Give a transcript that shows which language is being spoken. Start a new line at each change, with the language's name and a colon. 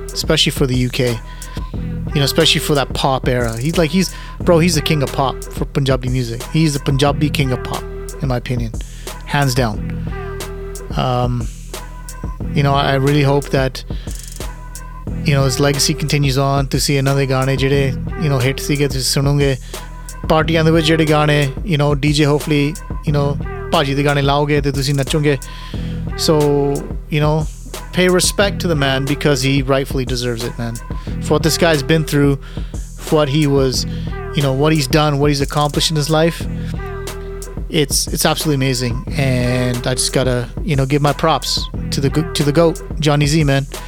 English: Especially for the UK. You know, especially for that pop era. He's the king of pop for Punjabi music. He's the Punjabi king of pop, in my opinion. Hands down. you know, I really hope that, you know, his legacy continues on. To see another
Punjabi: ਗਾਣੇ ਜਿਹੜੇ, you know, hit ਸੀਗੇ ਤੁਸੀਂ ਸੁਣੋਗੇ ਪਾਰਟੀਆਂ ਦੇ ਵਿੱਚ ਜਿਹੜੇ ਗਾਣੇ, you know,
English: DJ hopefully,
Punjabi: you know, ਭਾਜੀ ਦੇ ਗਾਣੇ ਲਾਓਗੇ ਤੇ ਤੁਸੀਂ ਨੱਚੋਗੇ.
English: So, you know, pay respect to the man because he rightfully deserves it, man. For what this guy's been through, for what he was, you know, what he's done, what he's accomplished in his life, it's absolutely amazing. And I just gotta, you know, give my props to the GOAT, Johnny Z, man.